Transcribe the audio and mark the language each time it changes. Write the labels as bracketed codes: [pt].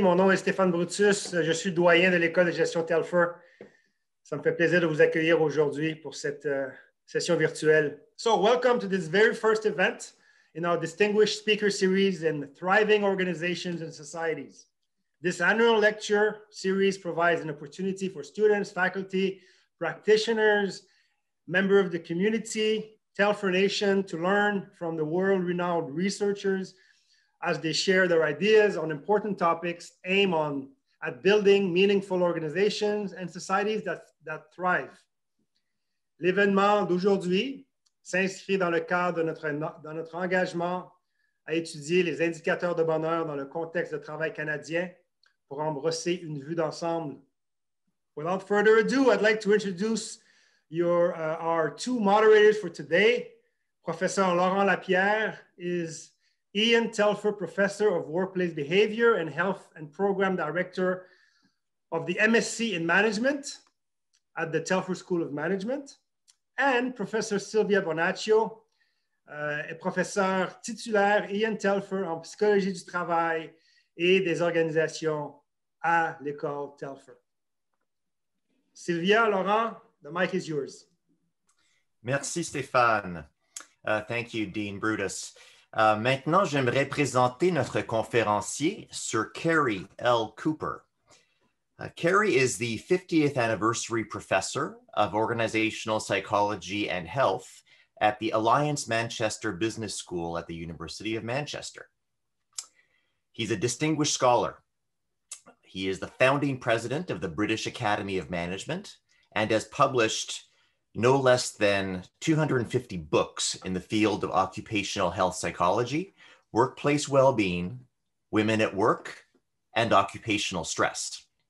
[fr] Mon nom est Stéphane Brutus, je suis doyen de l'école de gestion Telfer. Ça me fait plaisir de vous accueillir aujourd'hui pour cette session virtuelle. [en] So welcome to this very first event in our distinguished speaker series in Thriving Organizations and Societies. This annual lecture series provides an opportunity for students, faculty, practitioners, members of the community, Telfer Nation, to learn from the world-renowned researchers as they share their ideas on important topics aimed at building meaningful organizations and societies that thrive. [fr] L'événement d'aujourd'hui s'inscrit dans le cadre de notre engagement à étudier les indicateurs de bonheur dans le contexte de travail canadien pour en brosser une vue d'ensemble. [en] Without further ado, I'd like to introduce our two moderators for today. Professor Laurent Lapierre is Ian Telfer Professor of Workplace Behavior and Health and Program Director of the MSc in Management at the Telfer School of Management. And Professor [fr] Sylvia Bonaccio est professeur titulaire Ian Telfer en psychologie du travail et des organisations à l'école Telfer. [en] Sylvia, Laurent, the mic is yours. [fr] Merci, Stéphane. [en] Thank you, Dean Brutus. [fr] Maintenant, j'aimerais présenter notre conférencier, Sir Cary L. Cooper. [en] Cary is the 50th anniversary professor of organizational psychology and health at the Alliance Manchester Business School at the University of Manchester. He's a distinguished scholar. He is the founding president of the British Academy of Management and has published no less than 250 books in the field of occupational health psychology, workplace well-being, women at work, and occupational stress.